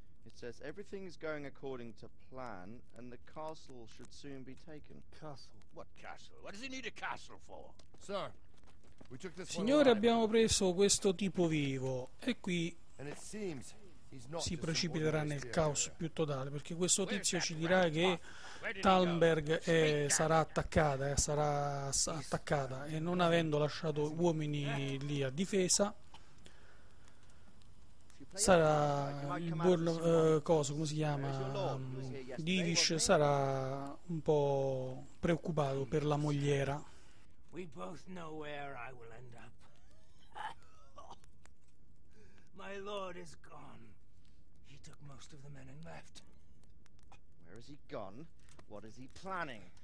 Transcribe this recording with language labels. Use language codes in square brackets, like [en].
[en] It says everything is going according to plan and the castle should soon be taken. Castle? What castle? What does he need a castle for? Sir, we took this [it] signore, abbiamo preso questo tipo vivo e qui si precipiterà nel caos più totale, perché questo tizio ci dirà che Thalberg sarà attaccata e non avendo lasciato uomini lì a difesa sarà il buon Divish sarà un po' preoccupato per la mogliera. [en] We both know where I will end up. My lord is gone. He took most of the men and left. Where is he gone? What is he planning?